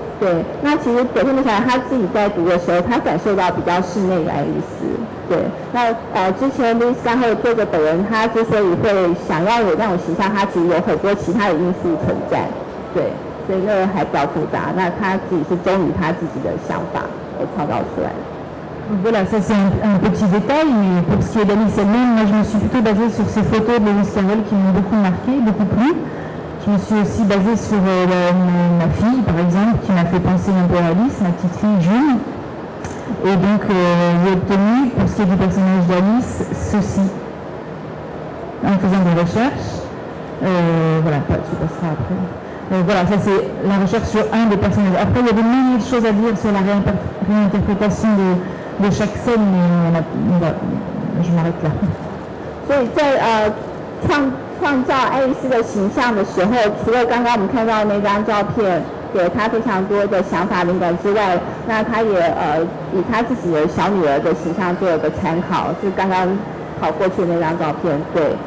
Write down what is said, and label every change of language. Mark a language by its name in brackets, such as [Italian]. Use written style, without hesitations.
[Chinese] 对，那其实朵特梅小姐她自己在读的时候，她感受到比较室内的爱丽丝。对，那之前路易斯·加赫尔作者本人，他之所以会想要有那种形象，他其实有很多其他的因素存在。对，所以那个还比较复杂。那他自己是忠于他自己的想法而创造出来的。 [French] Voilà, ça c'est un petit détail, mais pour ce qui est d'Alice elle-même, moi je me suis plutôt basée sur ces photos de Lewis Sarrell qui m'ont beaucoup marqué, beaucoup plu. Je me suis aussi basée sur ma fille, par exemple, qui m'a fait penser un peu à Alice, ma petite fille, June. Et donc, j'ai obtenu, pour ce qui est du personnage d'Alice, ceci. En faisant des recherches, voilà, tu passeras après. Voilà, ça c'est la recherche sur un des personnages. Après, il y a des milliers de choses à dire sur la réinterprétation de chaque scène, mais je m'arrête là. Donc, dans la création de l'image d'Alice, en fait, [Chinese] 除了刚刚我们看到那张照片给他非常多的想法灵感之外，那他也以他自己的小女儿的形象做了个参考，就刚刚跑过去那张照片，对。